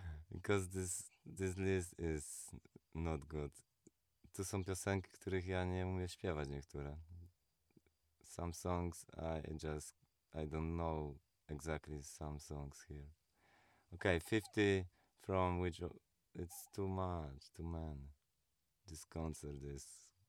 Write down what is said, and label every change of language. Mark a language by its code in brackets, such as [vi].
[en] Because this list is not good. [pl] Tu są piosenki, których ja nie umiem śpiewać niektóre. [en] Some songs I don't know exactly some songs here. Okay, 50 from which... It's too much, too many. This concert is...